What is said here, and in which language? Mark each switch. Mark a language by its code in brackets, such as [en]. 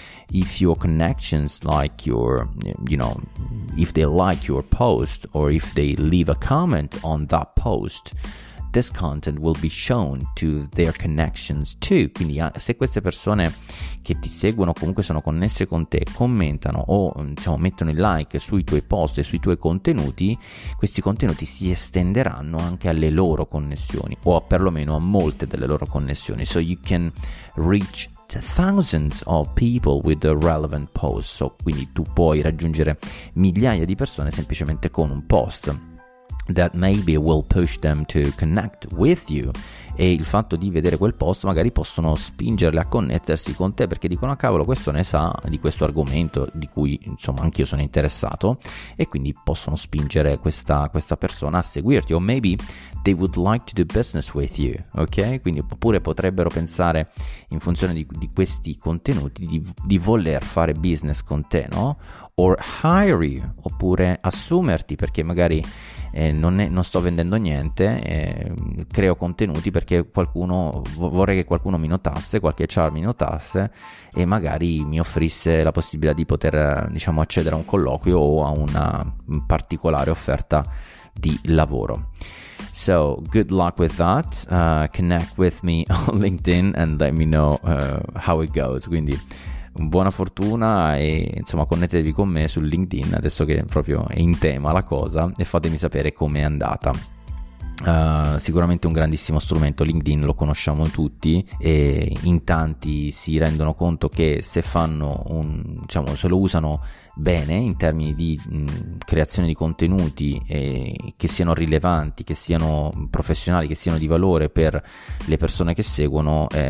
[en] If your connections like your, you know, if they like your post or if they leave a comment on that post, this content will be shown to their connections too. [it] Quindi se queste persone che ti seguono, comunque sono connesse con te, commentano o, diciamo, mettono il like sui tuoi post e sui tuoi contenuti, questi contenuti si estenderanno anche alle loro connessioni o perlomeno a molte delle loro connessioni. [en] So you can reach thousands of people with the relevant posts. [it] So, quindi tu puoi raggiungere migliaia di persone semplicemente con un post [en] that maybe will push them to connect with you. [it] E il fatto di vedere quel post magari possono spingerle a connettersi con te, perché dicono: ah, cavolo, questo ne sa di questo argomento di cui, insomma, anch'io sono interessato, e quindi possono spingere questa persona a seguirti. [en] O maybe they would like to do business with you, ok? [it] Quindi oppure potrebbero pensare, in funzione di questi contenuti, di voler fare business con te, no? [en] Or hire you, [it] oppure assumerti, perché magari non sto vendendo niente, creo contenuti perché qualcuno vorrei che qualcuno mi notasse, qualche HR mi notasse e magari mi offrisse la possibilità di poter, diciamo, accedere a un colloquio o a una particolare offerta di lavoro. [en] So good luck with that, connect with me on LinkedIn and let me know how it goes. [it] Quindi buona fortuna e, insomma, connettetevi con me su LinkedIn adesso che proprio è in tema la cosa e fatemi sapere com'è andata. Sicuramente un grandissimo strumento LinkedIn, lo conosciamo tutti e in tanti si rendono conto che se fanno se lo usano bene in termini di creazione di contenuti che siano rilevanti, che siano professionali, che siano di valore per le persone che seguono,